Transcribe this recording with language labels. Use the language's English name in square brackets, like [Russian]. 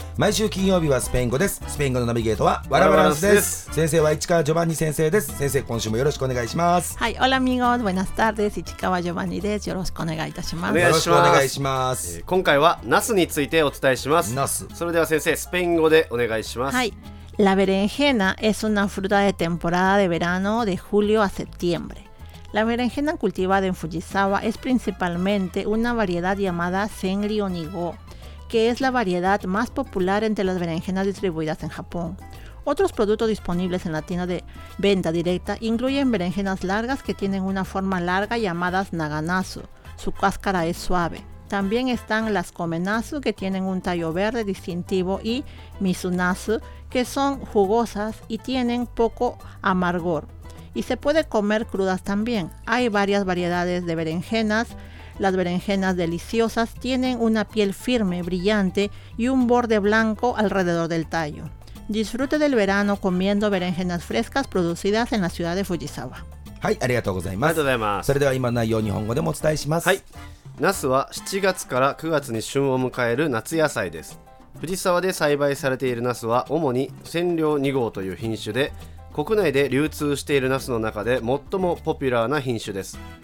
[Japanese] 毎週金曜日はスペイン語です。スペイン語のナビゲートはワラバランスです。先生は市川ジョバンニ先生です。先生、今週もよろしくお願いします。はい、オラミゴ、ブエナスタールです。市川ジョバンニです。よろしくお願いいたします。よろしくお願いします。今回はナスについてお伝えします。ナス、それでは先生、スペイン語でお願いします。 [Spanish] はい、La berenjena es una fruta de temporada de verano de julio a septiembre. La berenjena cultivada en Fujisawa es principalmente una variedad llamada Senri Onigo, que es la variedad más popular entre las berenjenas distribuidas en Japón. Otros productos disponibles en la tienda de venta directa incluyen berenjenas largas que tienen una forma larga llamadas Naganasu. Su cáscara es suave. También están las Komenasu, que tienen un tallo verde distintivo, y Mizunasu, que son jugosas y tienen poco amargor. Y se puede comer crudas también. Hay varias variedades de berenjenas. Las berenjenas deliciosas tienen una piel firme, brillante y un borde blanco alrededor del tallo. Disfrute del verano comiendo berenjenas frescas producidas en la ciudad de Fujisawa. [Japanese] はい、ありがとうございます。ありがとうございます。それでは今の内容を日本語でもお伝えします。はい。ナスは7月から9月に旬を迎える夏野菜です。藤沢で栽培されているナスは主に千両2号という品種で、国内で流通しているナスの中で最もポピュラーな品種です。